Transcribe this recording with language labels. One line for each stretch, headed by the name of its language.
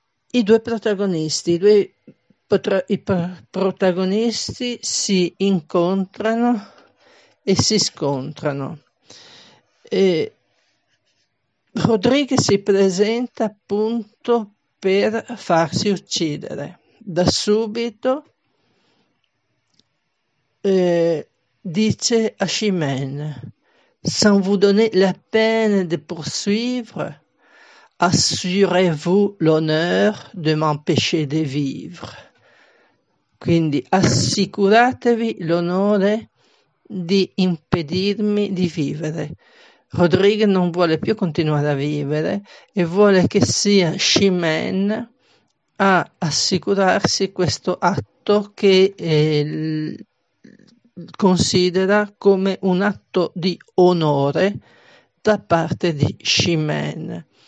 Italian: I due protagonisti, i protagonisti si incontrano e si scontrano. E Rodrigue si presenta appunto per farsi uccidere. Da subito, dice a Chimène:
French: «Sans vous donner la peine de poursuivre, assurez-vous l'honneur de m'empêcher de vivre».
Italian: Quindi assicuratevi l'onore di impedirmi di vivere. Rodrigue non vuole più continuare a vivere e vuole che sia Chimène a assicurarsi questo atto che considera come un atto di onore da parte di Chimène.